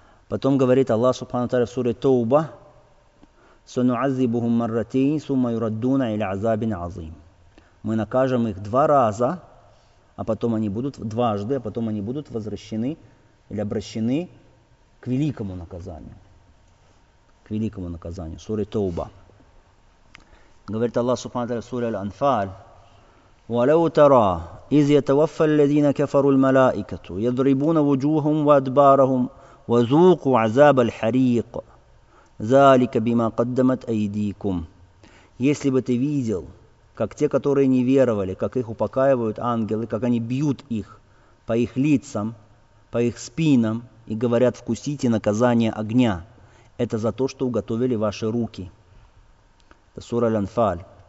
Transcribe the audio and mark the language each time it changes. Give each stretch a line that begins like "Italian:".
Russian: Потом говорит Аллах Субхану Тааля в суре Тауба:
Arabic: Сунуазибухум марратейн, сумма юраддуна иля азабин азим.
Russian: Мы накажем их два раза, а потом они будут дважды, а потом они будут возвращены или обращены к великому наказанию. К великому наказанию. Суре Тауба. Говорит Аллах Субхану Тааля в суре Аль-Анфаль:
Arabic: ولو ترى إذ يتوفى الذين كفروا الملائكة يضربون وجوههم وأدبارهم وذوقوا عذاب الحريق ذلك بما قدمت أيديكم.
Russian: Если бы ты видел, как те, которые не веровали, как их упокаивают ангелы, как они бьют их по их лицам, по их спинам и говорят: вкусите наказание огня, это за то, что уготовили ваши руки. Сура Аль-Анфаль.